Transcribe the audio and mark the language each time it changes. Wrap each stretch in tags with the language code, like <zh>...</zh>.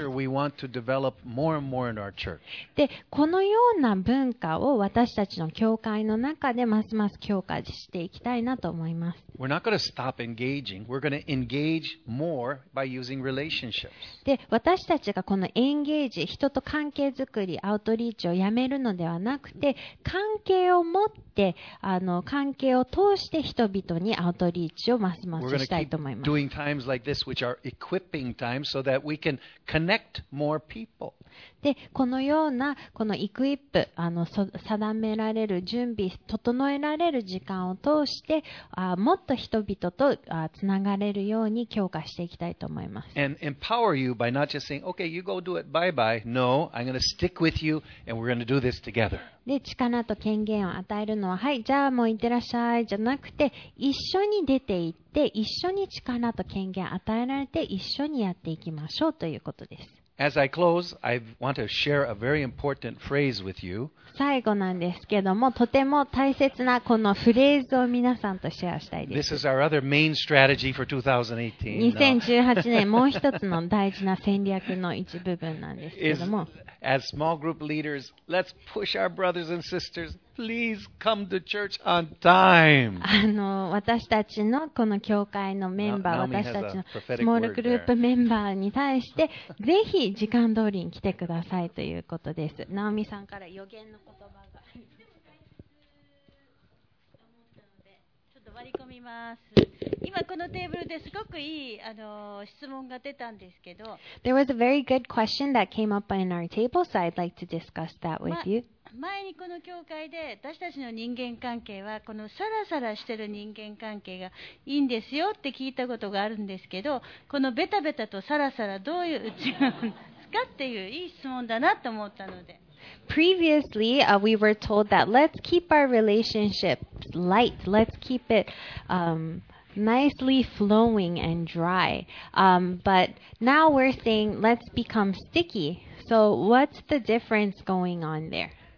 <en>And that's the culture we want to develop more and more in our church.</en> <ja>で、このような文化を私たちの教会の中でますます強化していきたいなと思います。</ja> <en>We're not going to stop engaging. We're going to engage more by using relationships.</en> <ja>で私たちがこのエンゲージ、人と関係づくり、アウトリーチをやめるのではなくて、関係を持って、あの関係を通して人々にアウトリーチをますますしたいと思います。</ja> <en>Doing times like this, which are equipping times, so that we can connect more people.</en> <ja>で、このようなこのイクイップ、あの定められる準備、整えられる時間を通して、もっと人々とつながれるように強化していきたいと思います。</ja> <en>And empower you by not just saying, okay, you go do it, bye bye. No, I'm going to stick with you and we're going to do this together.</en> <ja>で、力と権限を与えるのは、はい、じゃあもう行ってらっしゃいじゃなくて、一緒に出て行って、一緒に力と権限を与えられて、一緒にやっていきましょうということです。</ja> <en>As I close, I want to share a very important phrase with you.</en> <ja>最後なんですけども、とても大切なこのフレーズを皆さんとシェアしたいです。</ja> <en>This is our other main strategy for 2018.</en> <ja>2018年、もう一つの大事な戦略の一部分なんですけども。</ja> <en>As small group leaders, let's push our brothers and sisters. Please come to church on time.</en> <ja>あの、私たちのこの教会のメンバー、私たちのスモールグループメンバーに対して、ぜひ時間通りに来てくださいということです。ナオミさんから予言の言葉が。ちょっと割り込みます。今このテーブルですごくいい、あの、質問が出たんですけど。</ja> <en>There was a very good question that came up on our table, so I'd like to discuss that with you.</en> <ja>前にこの教会で私たちの人間関係はこのサラサラしてる人間関係がいいんですよって聞いたことがあるんですけど、このベタベタとサラサラどういう違うんですかっていういい質問だなと思ったので。</ja> <en>Previously, we were told that let's keep our relationships light. Let's keep it, nicely flowing and dry. But now we're saying let's become sticky. So what's the difference going on there?</en>